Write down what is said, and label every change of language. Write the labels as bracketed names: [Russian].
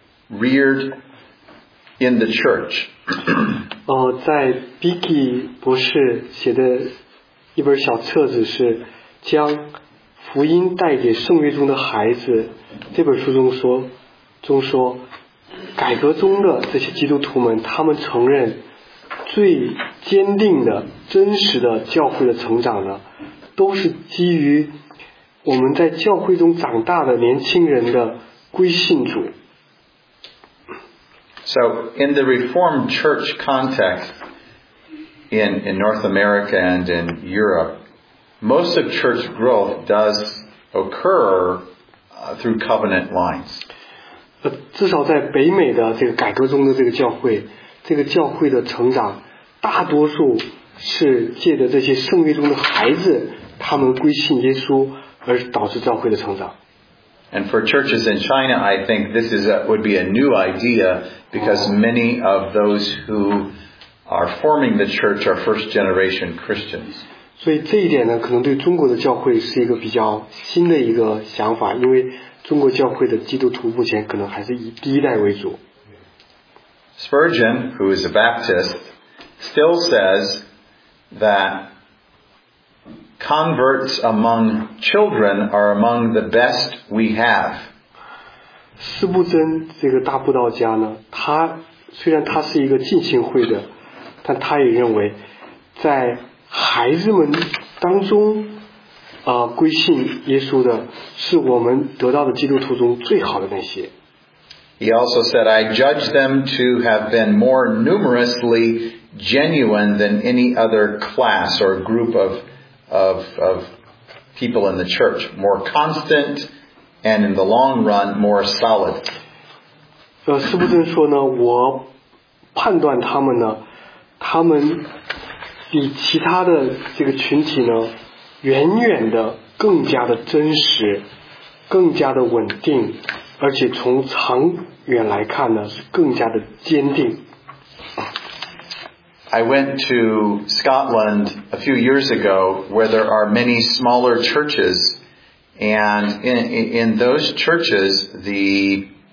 [English] Reared in the church. [Chinese] 在 Beakey 博士写的一本小册子是将福音带给圣约中的孩子这本书中说，改革中的这些基督徒们，他们承认最坚定的、真实的教会的成长呢，都是基于我们在教会中长大的年轻人的归信主。 [English] So, in the Reformed Church context in North America and in Europe, most of church growth does occur through covenant lines. [Chinese] 至少在北美的这个改革中的这个教会的成长，大多数是借着这些圣约中的孩子，他们归信耶稣，而导致教会的成长。 [English] And for churches in China, I think this would be a new idea because many of those who are forming the church are first generation Christians. [Chinese] 所以这一点呢，可能对中国的教会是一个比较新的一个想法，因为中国教会的基督徒目前可能还是以第一代为主。 [English] Spurgeon, who is a Baptist, still says that. Converts among children are among the best we have. [Chinese] 斯布珍这个大布道家呢，他虽然他是一个浸信会的，但他也认为，在孩子们当中，归信耶稣的是我们得到的基督徒中最好的那些。 [English] He also said, "I judge them to have been more numerously genuine than any other class or group of people in the church, more constant and in the long run more solid." [Chinese] 斯布珍说呢，我判断他们呢，他们比其他的这个群体呢，远远的更加的真实，更加的稳定，而且从长远来看呢，是更加的坚定。 [English] I went to Scotland a few years ago where there are many smaller churches and in those churches the